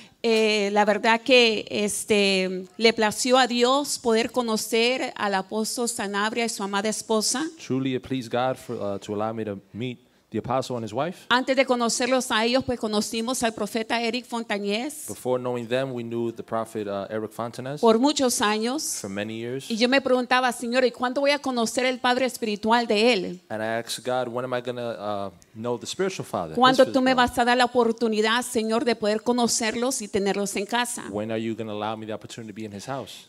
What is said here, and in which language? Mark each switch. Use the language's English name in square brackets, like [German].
[Spanish] La verdad que le plació a Dios poder conocer al apóstol Sanabria y su amada esposa. [English] Truly it pleased God to allow me to meet the apostle and his wife. [Spanish] Antes de conocerlos a ellos, pues conocimos al profeta Eric Fontanés. [English] Before knowing them, we knew the prophet Eric Fontanés. [Spanish] Por muchos años. [English] For many years. [Spanish] Y yo me preguntaba, Señor, ¿y cuándo voy a conocer el padre espiritual de él? [English] And I asked God, when am I going to know the spiritual father? [Spanish] ¿Cuándo tú me vas a dar la oportunidad, Señor, de poder conocerlos y tenerlos en casa? [English] When are you going to allow me the opportunity to be in his house?